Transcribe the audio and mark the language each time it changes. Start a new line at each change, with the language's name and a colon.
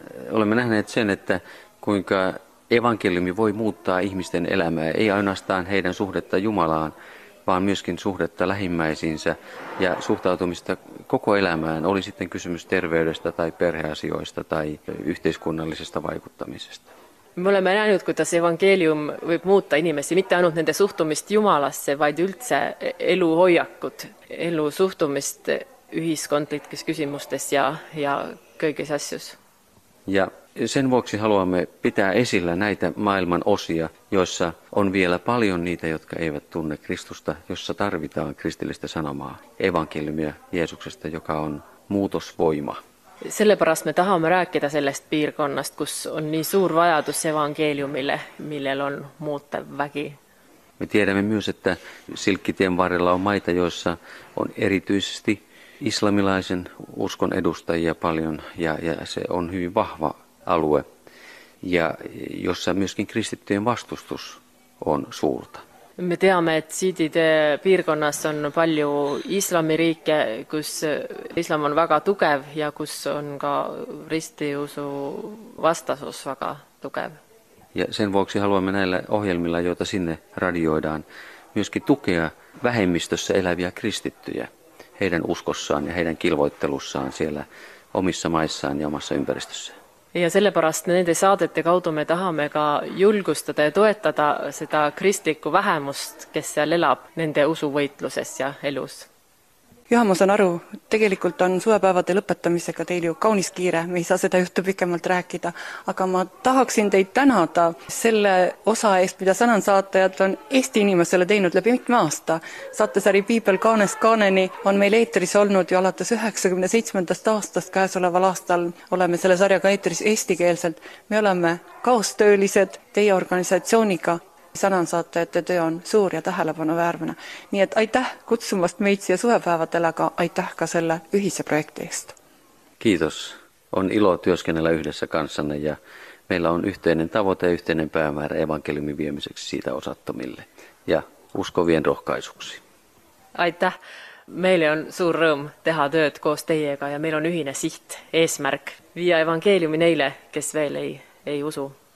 Finnish: Olemme nähneet sen, että kuinka evankeliumi voi muuttaa ihmisten elämää, ei ainoastaan heidän suhdetta Jumalaan, vaan myöskin suhdetta lähimmäisiinsä ja suhtautumista koko elämään, oli sitten kysymys terveydestä tai perheasioista tai yhteiskunnallisesta vaikuttamisesta.
Estonian: Me oleme näinud, kuidas evangeelium võib muuta inimesi, mitte ainult nende suhtumist Jumalasse, vaid üldse eluhoiakud, elusuhtumist ühiskondlikes küsimustes ja kõiges asjus.
Finnish: Ja sen vuoksi haluamme pitää esillä näitä maailman osia, joissa on vielä paljon niitä, jotka eivät tunne Kristusta, jossa tarvitaan kristillistä sanomaa, evankeliumia Jeesuksesta, joka on muutosvoima.
Estonian: Sellepärast me tahame rääkida sellest piirkonnast, kus on nii suur vajadus evankeeliumille, millel on muuttav vägi.
Finnish: Me tiedämme myös, että Silkkitien varrella on maita, joissa on erityisesti islamilaisen uskon edustajia paljon ja se on hyvin vahva alue, ja jossa myöskin kristittyjen vastustus on suurta.
Estonian: Me teame, et Siidide piirkonnas on palju islamiriike, kus islam on väga tugev ja kus on ka ristiusu vastasus väga tugev.
Finnish: Ja sen vuoksi haluamme näillä ohjelmilla, joita sinne radioidaan, myöskin tukea vähemmistössä eläviä kristittyjä heidän uskossaan ja heidän kilvoittelussaan siellä omissa maissaan ja omassa ympäristössään.
Estonian: Ja sellepärast nende saadete kaudu me tahame ka julgustada ja toetada seda kristlikku vähemust, kes seal elab nende usuvõitluses ja elus. Juha, ma saan aru, tegelikult on suvepäevade lõpetamisega teil ju kaunis kiire, me ei saa seda juttu pikemalt rääkida, aga ma tahaksin teid tänada selle osa eest, mida sõnansaatajad on Eesti inimesele teinud läbi mitme aasta. Saatesari Piibel Kaanest Kaaneni on meil eetris olnud ju alates 97. aastast käesoleval aastal oleme selle sarjaga eetris eestikeelselt. Me oleme kaostöölised teie organisatsiooniga. Sõnansaatajate töö on suur ja tähelepanu väärmine. Nii et aitäh kutsumast meid siia suvepäevadele, aga aitäh ka selle ühise projekti eest.
Finnish: Kiitos. On ilo työskennellä yhdessä kanssanne ja meillä on yhteinen tavoite ja yhteinen päämäärä evankeliumin viemiseksi siitä osattomille ja uskovien rohkaisuksi.
Estonian: Aitäh. Meille on suur rõõm teha tööd koos teiega ja
Finnish: meillä on
Estonian: ühine siht, eesmärk viia evankeliumi neile, kes veel ei usu.